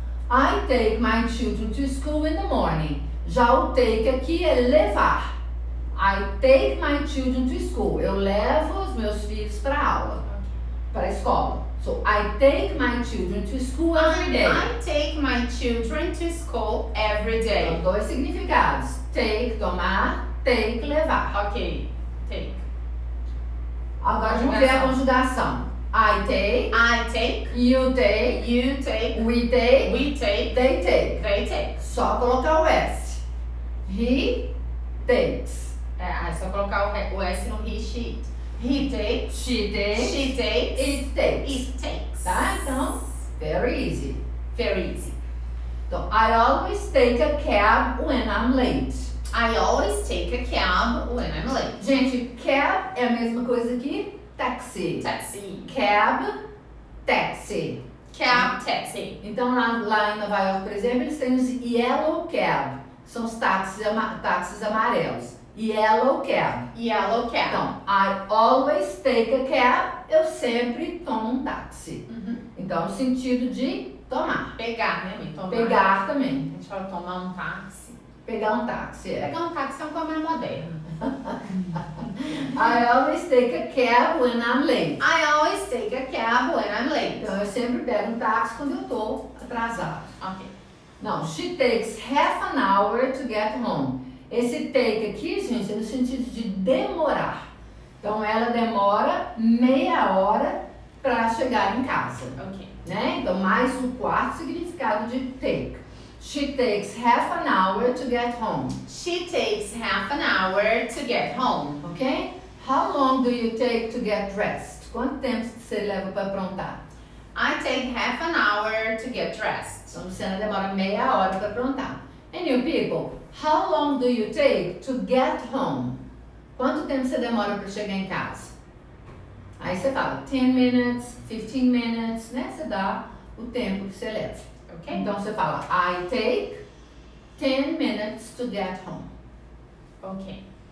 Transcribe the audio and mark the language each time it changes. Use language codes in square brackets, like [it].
[en] I take my children to school in the morning. [pt] Já o take aqui é levar. [en] I take my children to school. [pt] Eu levo os meus filhos para aula, para a escola. [en] So, I take my children to school every day. I take my children to school every day. [pt] Então, dois significados. Take, tomar. Take, levar. [en] Ok. Take. [pt] Agora, vamos ver a conjugação. [en] I take. You take. You take. We take. We take. They take. They take. [pt] Só colocar o S. [en] He takes. [pt] É só colocar o S no he, she. [en] He takes. She takes. She takes. It takes. It takes. Tá? Então, very easy. Very easy. Então, I always take a cab when I'm late. I always take a cab when I'm late. [pt] Gente, cab é a mesma coisa que taxi. Taxi. [en] Cab, taxi. Cab, taxi. [pt] Então, lá em Nova York, por exemplo, eles têm os yellow cab. São os táxis amarelos. Yellow cab. [en] Yellow cab. [pt] Então, [en] I always take a cab. [pt] Eu sempre tomo um táxi. Uhum. Então, no sentido de tomar. Pegar, né, mãe? Tomar. Pegar também. A gente fala tomar um táxi. Pegar um táxi, é. Pegar um táxi é um comer moderno. [en] I always take a cab when I'm late. I always take a cab when I'm late. [pt] Então, eu sempre pego um táxi quando eu tô atrasado. Ok. [en] Não, she takes half an hour to get home. [pt] Esse take aqui, gente, é no sentido de demorar. Então, ela demora meia hora para chegar em casa. Ok. Né? Então, mais o quarto significado de take. [en] She takes half an hour to get home. She takes half an hour to get home. Ok? How long do you take to get dressed? [pt] Quanto tempo você leva para aprontar? [en] I take half an hour to get dressed. [pt] Então, você demora meia hora para aprontar. [en] And you people, how long do you take to get home? [pt] Quanto tempo você demora para chegar em casa? Aí você fala 10 minutes, 15 minutes, né? Você dá o tempo que você leva. Ok? Então você fala, [en] I take 10 minutes to get home. Ok.